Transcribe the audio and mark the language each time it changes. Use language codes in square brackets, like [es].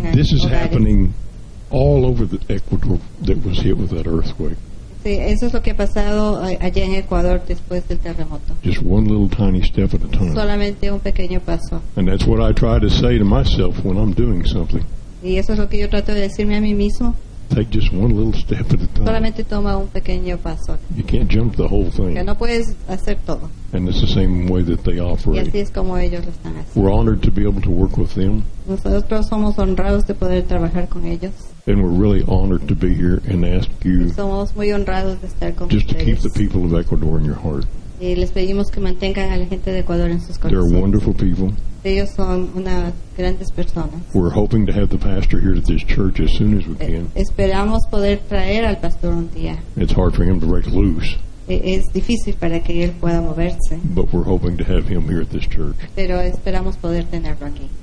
[en] hogar. This is happening all over the Ecuador that was hit with that earthquake. [es] Sí, eso es lo que ha pasado allá en Ecuador después del terremoto. [en] Just one little tiny step at a time. [es] Solamente un pequeño paso. [en] And that's what I try to say to myself when I'm doing something. [es] Y eso es lo que yo trato de decirme a mí mismo. [en] Take just one little step at a time. [es] Solamente toma un pequeño paso. [en] You can't jump the whole thing. [es] Que no puedes hacer todo. [en] And it's the same way that they operate. [es] Y así es como ellos lo están haciendo. [en] We're honored to be able to work with them. [es] Nosotros somos honrados de poder trabajar con ellos. [en] And we're really honored to be here and ask you [es] somos muy honrados de estar con [en] just [es] ustedes. [en] To keep the people of Ecuador in your heart. [es] Y les pedimos que mantengan a la gente de Ecuador en sus corazones. [en] They're wonderful people. [es] Ellos son unas grandes personas. [en] We're hoping to have the pastor here at this church as soon as we can. [es] Esperamos poder traer al pastor un día. [en] It's hard for him to break loose. [es] Es difícil para que él pueda moverse. [en] But we're hoping to have him here at this church. [es] Pero esperamos poder tenerlo aquí.